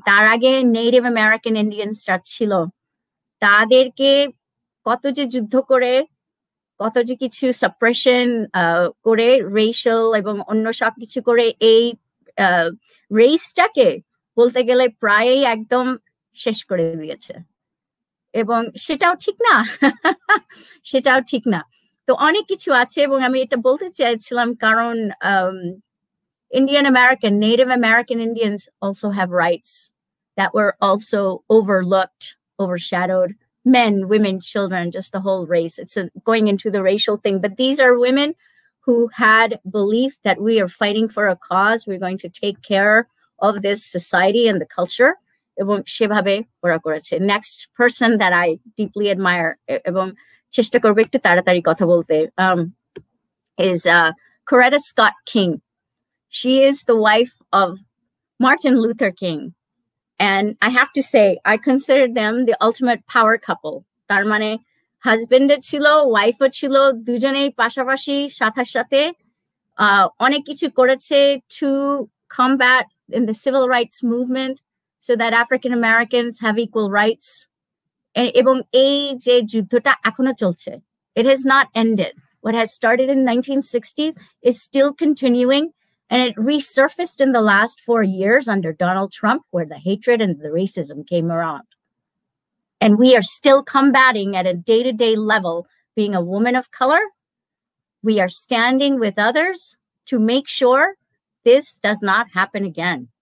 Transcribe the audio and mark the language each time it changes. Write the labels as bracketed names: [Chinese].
[Bangla] তার আগে Native American Indians ছিল, তাদেরকে কত যে যুদ্ধ করে, কত যে কিছু suppression করে, racial এবং অন্য সব কিছু করে, এই race-টাকে বলতে গেলে প্রায়ই একদম শেষ করে দিয়েছে। এবং সেটাও ঠিক না, সেটাও ঠিক না। তো অনেক কিছু আছে, এবং আমি এটা বলতে চাইছিলাম কারণ [English] Indian American, Native American Indians also have rights that were also overlooked, overshadowed. Men, women, children, just the whole race. It's going into the racial thing. But these are women who had belief that we are fighting for a cause, we're going to take care of this society and the culture. [Bangla] এবং সেভাবে ওরা করেছে. [English] Next person that I deeply admire, [Bangla] এবং চেষ্টা করবে একটু তাড়াতাড়ি কথা বলতে, is Coretta Scott King. [English] She is the wife of Martin Luther King. And I have to say, I consider them the ultimate power couple. [Bangla] তার মানে হাজবেন্ড ছিল, ওয়াইফ ছিল, দুজনেই পাশাপাশি সাথে অনেক কিছু করেছে [English] To combat in the civil rights movement so that African Americans have equal rights. [Bangla] এবং এই যে যুদ্ধটা এখনো চলছে, [English] It has not ended. What has started in 1960s is still continuing, and it resurfaced in the last 4 years under Donald Trump, where the hatred and the racism came around. And we are still combating at a day-to-day level. Being a woman of color, we are standing with others to make sure this does not happen again.